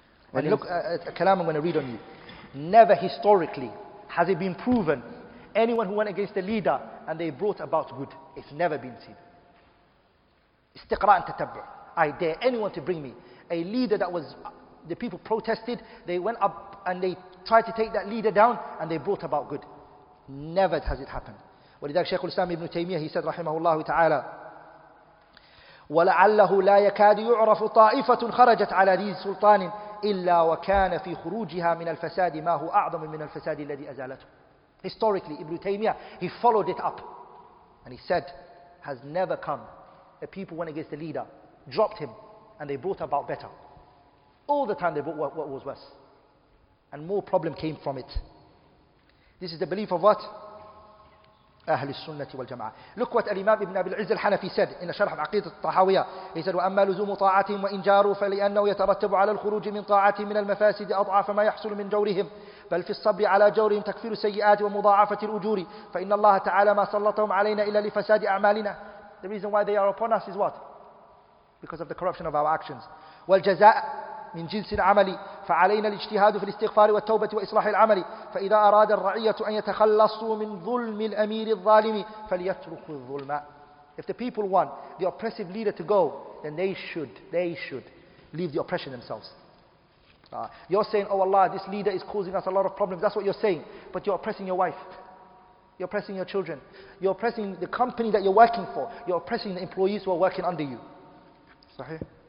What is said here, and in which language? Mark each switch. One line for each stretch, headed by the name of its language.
English: When you look at a kalam I'm going to read on you, never historically has it been proven anyone who went against the leader and they brought about good, it's never been seen.
Arabic: استقراء تتبع.
English: I dare anyone to bring me a leader that was, the people protested, they went up and they tried to take that leader down and they brought about good. Never has it happened.
Arabic: ولذلك شيخ الإسلام ابن تيمية,
English: he said
Arabic: رحمه الله تعالى, ولعله لا يكاد يعرف طائفة خرجت على ذي سلطان إلا وكان في خروجها من الفساد ما هو أعظم من الفساد الذي أزالته.
English: Historically, Ibn Taymiyyah, he followed it up. And he said, has never come a people went against the leader, dropped him, and they brought about better. All the time they brought what was worse. And more problem came from it. This is the belief of what? Ahl al-Sunnah wal-Jama'ah. Look what Al-Imam Ibn Abi al-Izz al-Hanafi said in the Sharh of Aqidat al-Tahawiyah. He said,
Arabic: وَأَمَّا لُزُومُ طَاعَتِهِمْ وَإِنْ جَارُوا فَلِأَنَّهُ يَتَرَتَّبُ عَلَى الْخُرُوجِ مِنْ طَاعَتِهِمْ مِنَ الْمَفَاسِدِ أَضْعَفَ مَا يَحْصُلُ مِنْ جَوْرِهِمْ بل في الصبر على جورهم تكفير السيئات ومضاعفة الأجور فإن الله تعالى ما سلطهم علينا إلا لفساد أعمالنا.
English: The reason why they are upon us is what? Because of the corruption of our actions.
Arabic: والجزاء من جنس العمل فعلينا الاجتهاد في الاستغفار والتوبة وإصلاح العمل فإذا أراد الرعية أن يتخلصوا من ظلم الأمير الظالم فليتركوا الظلم.
English: If the people want the oppressive leader to go, then they should leave the oppression themselves. You're saying, oh Allah, this leader is causing us a lot of problems. That's what you're saying. But you're oppressing your wife. You're oppressing your children. You're oppressing the company that you're working for. You're oppressing the employees who are working under you. Sahih?